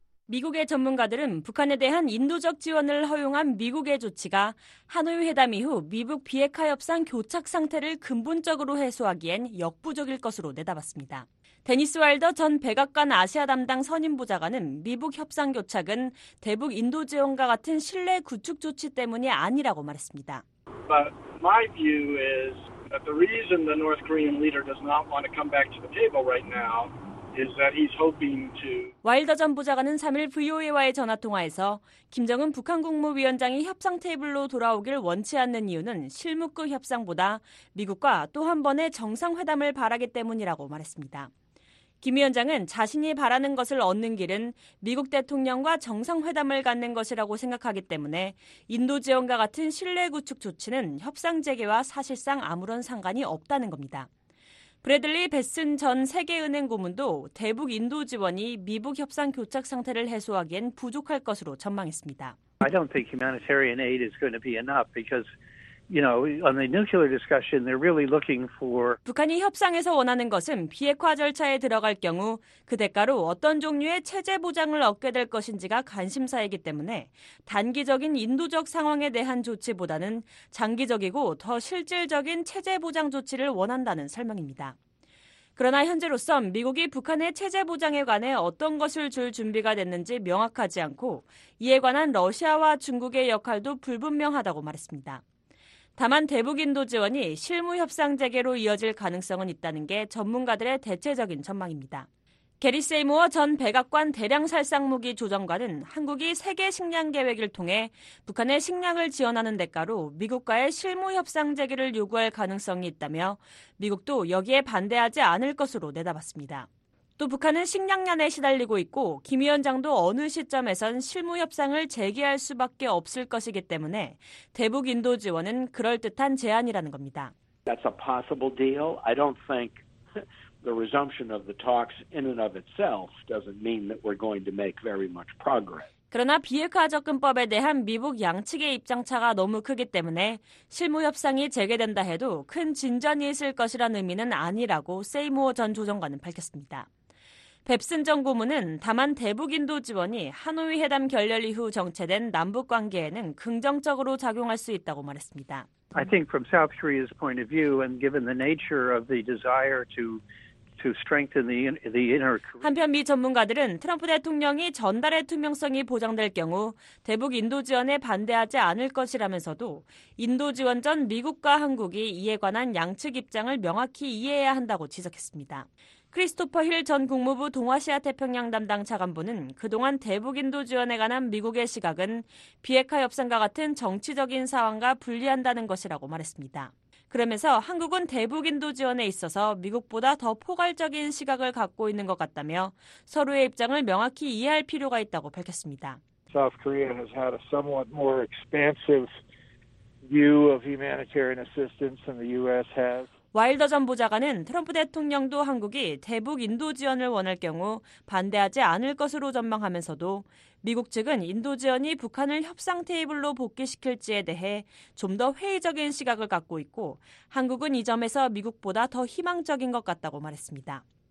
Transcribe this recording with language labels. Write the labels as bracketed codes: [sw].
[ko] 미국의 전문가들은 북한에 대한 인도적 지원을 허용한 미국의 조치가 하노이 회담 이후 미북 비핵화 협상 교착 상태를 근본적으로 해소하기엔 역부족일 것으로 내다봤습니다. 데니스 와일더 전 백악관 아시아 담당 선임보좌관은 미북 협상 교착은 대북 인도 지원과 같은 신뢰 구축 조치 때문이 아니라고 말했습니다. [en] But my view is that the reason the North Korean leader does not want to come back to the table right now is that he's hoping to [ko] 와일더 전 보좌관은 3일 VOA와의 전화통화에서 김정은 북한 국무위원장이 협상 테이블로 돌아오길 원치 않는 이유는 실무급 협상보다 미국과 또 한 번의 정상회담을 바라기 때문이라고 말했습니다. 김 위원장은 자신이 바라는 것을 얻는 길은 미국 대통령과 정상회담을 갖는 것이라고 생각하기 때문에 인도 지원과 같은 신뢰 구축 조치는 협상 재개와 사실상 아무런 상관이 없다는 겁니다. 브래들리 베슨 전 세계은행 고문도 대북 인도 지원이 미북 협상 교착 상태를 해소하기엔 부족할 것으로 전망했습니다. [en] I don't think humanitarian aid is going to be enough because, you know, on the nuclear discussion, they're really looking for [ko] 북한이 협상에서 원하는 것은 비핵화 절차에 들어갈 경우 그 대가로 어떤 종류의 체제 보장을 얻게 될 것인지가 관심사이기 때문에 단기적인 인도적 상황에 대한 조치보다는 장기적이고 더 실질적인 체제 보장 조치를 원한다는 설명입니다. 그러나 현재로선 미국이 북한의 체제 보장에 관해 어떤 것을 줄 준비가 됐는지 명확하지 않고 이에 관한 러시아와 중국의 역할도 불분명하다고 말했습니다. 다만 대북 인도 지원이 실무 협상 재개로 이어질 가능성은 있다는 게 전문가들의 대체적인 전망입니다. 게리 세이모어 전 백악관 대량 살상무기 조정관은 한국이 세계 식량 계획을 통해 북한에 식량을 지원하는 대가로 미국과의 실무 협상 재개를 요구할 가능성이 있다며 미국도 여기에 반대하지 않을 것으로 내다봤습니다. 또 북한은 식량난에 시달리고 있고 김 위원장도 어느 시점에선 실무 협상을 재개할 수밖에 없을 것이기 때문에 대북 인도 지원은 그럴듯한 제안이라는 겁니다. [en] That's a possible deal. I don't think the resumption of the talks in and of itself doesn't mean that we're going to make very much progress. [ko] 그러나 비핵화 접근법에 대한 미북 양측의 입장차가 너무 크기 때문에 실무 협상이 재개된다 해도 큰 진전이 있을 것이란 의미는 아니라고 세이모어 전 조정관은 밝혔습니다. 뱁슨 전 고문은 다만 대북 인도 지원이 하노이 회담 결렬 이후 정체된 남북 관계에는 긍정적으로 작용할 수 있다고 말했습니다. [en] I think from South Korea's point of view and given the nature of the desire to to strengthen the inner. [ko] 한편 미 전문가들은 트럼프 대통령이 전달의 투명성이 보장될 경우 대북 인도 지원에 반대하지 않을 것이라면서도 인도 지원 전 미국과 한국이 이에 관한 양측 입장을 명확히 이해해야 한다고 지적했습니다. 크리스토퍼 힐 전 국무부 동아시아 태평양 담당 차관보는 그동안 대북 인도 지원에 관한 미국의 시각은 비핵화 협상과 같은 정치적인 상황과 불리한다는 것이라고 말했습니다. 그러면서 한국은 대북 인도 지원에 있어서 미국보다 더 포괄적인 시각을 갖고 있는 것 같다며 서로의 입장을 명확히 이해할 필요가 있다고 밝혔습니다. [en] South Korea has had a somewhat more expansive view of humanitarian assistance than the US has. [ko] 와일더 전 보좌관은 트럼프 대통령도 한국이 대북 인도 지원을 원할 경우 반대하지 않을 것으로 전망하면서도 미국 측은 인도 지원이 북한을 협상 테이블로 복귀시킬지에 대해 좀 더 회의적인 시각을 갖고 있고 한국은 이 점에서 미국보다 더 희망적인 것 같다고 말했습니다.